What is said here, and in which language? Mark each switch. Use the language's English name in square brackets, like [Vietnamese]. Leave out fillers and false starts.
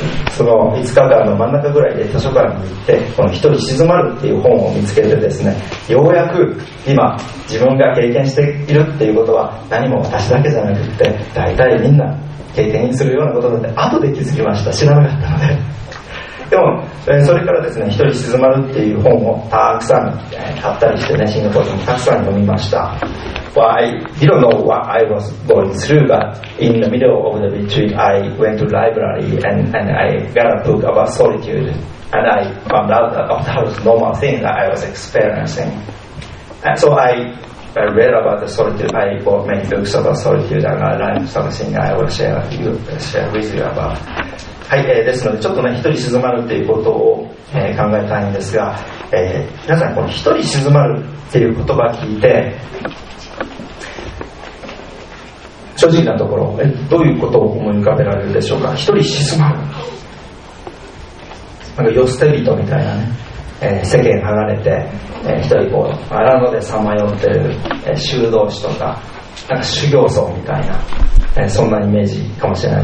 [Japanese] その5日間の真ん中ぐらいで図書館に行って、この人に静まるっていう本を見つけてですね、ようやく今自分が経験しているっていうことは何も私だけじゃなくって、大体みんな経験するようなことだって後で気づきました。知らなかったので。でも、それからですね、人に静まるっていう本をたくさん、買ったりしてね、シンガポールもたくさん読みました。 [English] Why? You don't know what I was going through, but in the middle of the retreat, I went to the library and I got a book about solitude, and I found out that that was a normal thing that I was experiencing. And so I read about the solitude. I bought many books about solitude, and I learned something I will share with you about. [Japanese] はい、ですのでちょっとね、一人静まるっていうことを、考えたいんですが、皆さんこの一人静まるっていう言葉聞いて、正直なところ、どういうことを思い浮かべられるでしょうか。一人静まる、なんか世捨て人みたいなね、世間離れて、一人こう荒野でさまよってる、修道士とか、なんか修行僧みたいな、そんなイメージかもしれない。